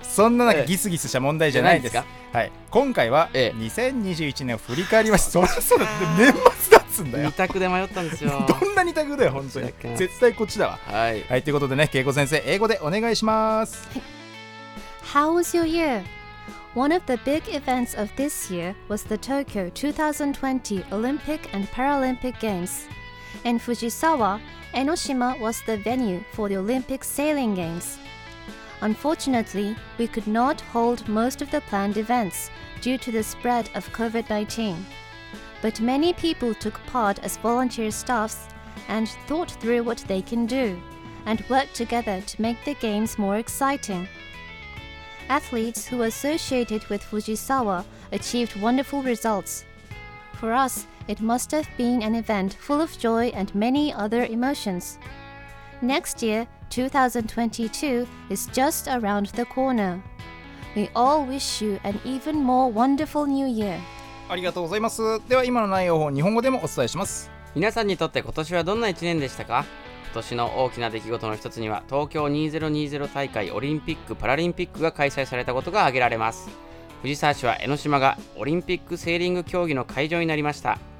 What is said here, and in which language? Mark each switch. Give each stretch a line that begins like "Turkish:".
Japanese: そんななんかギスギスした問題じゃないですか。はい。今回は2021年を振り返ります。そろそろ年末だ。二択で迷ったんですよ。どんな二択だよ本当に。絶対こっちだわ。はい、はい、ということでね、恵子先生英語でお願いします。
English: How was your year? One of the big events of this year was the Tokyo 2020 Olympic and Paralympic Games. In Fujisawa, Enoshima was the venue for the Olympic Sailing Games. Unfortunately, we could not hold most of the planned events due to the spread of COVID-19. But many people took part as volunteer staffs and thought through what they can do and worked together to make the games more exciting. Athletes who were associated with Fujisawa achieved wonderful results. For us, it must have been an event full of joy and many other emotions. Next year, 2022, is just around the corner. We all wish you an even more wonderful new year.
Japanese: ありがとうございます。では今の内容を日本語でもお伝えします。皆さんにとって今年はどんな1年でしたか？今年の大きな出来事の一つには東京2020大会オリンピック・パラリンピックが開催されたことが挙げられます。藤沢市は江ノ島がオリンピックセーリング競技の会場になりました。